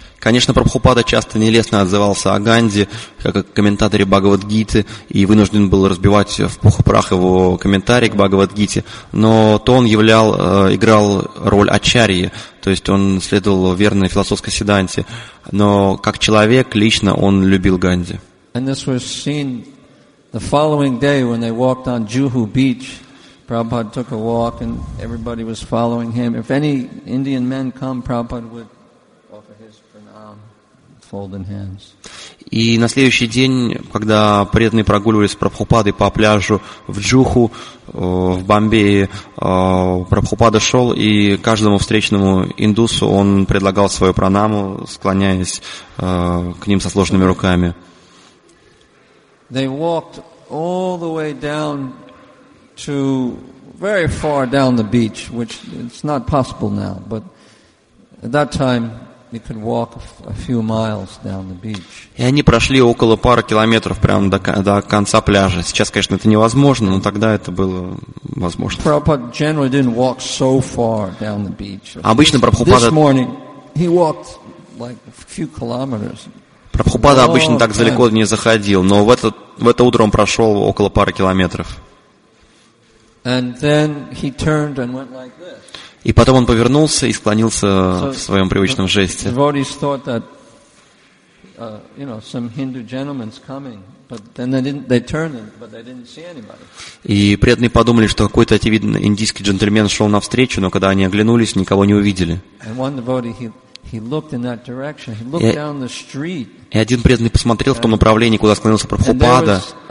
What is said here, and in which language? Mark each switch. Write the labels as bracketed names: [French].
[Russian] Конечно, Прабхупада часто нелестно отзывался о Ганди, как о комментаторе Бхагавад-гиты, и вынужден был разбивать в пух и прах его комментарий к Бхагавад-гите, но то он играл роль ачарьи, то есть он следовал верной философской сиддханте, но как человек лично он любил Ганди. [English] And this was seen the following day when they walked on Juhu Beach. Prabhupada took a walk and everybody was following him. If any Indian men come, Prabhupada would offer his pranam, folded hands. [Russian] И на следующий день, когда преданные прогуливались с Прабхупадой по пляжу в Джуху, в Бомбее, Прабхупада шел, и каждому встречному индусу он предлагал свою пранаму, склоняясь к ним со сложными руками. [English] They walked all the way down to very far down the beach, which it's not possible now, but at that time you could walk a few miles down the beach. [Russian] И они прошли около пары километров прямо до конца пляжа. Сейчас, конечно, это невозможно, но тогда это было возможно. [English] Prabhupada generally didn't walk so far down the beach. [Russian] Обычно Прабхупада... [English] This morning he walked like a few kilometers. [Russian] Прабхупада обычно так далеко не заходил, но в это утро он прошел около пары километров. [English] And then he turned and went like this. [Russian] И потом он повернулся и склонился в своем привычном жесте. [English] Devotees thought that, some Hindu gentleman's coming, but then they turned, but they didn't see anybody. [Russian] И преданные подумали, что какой-то очевидно индийский джентльмен шел навстречу, но когда они оглянулись, никого не увидели. [English] And one devotee he looked in that direction. He looked down the street. [Russian] И один преданный посмотрел в том направлении, куда склонился Прабхупада.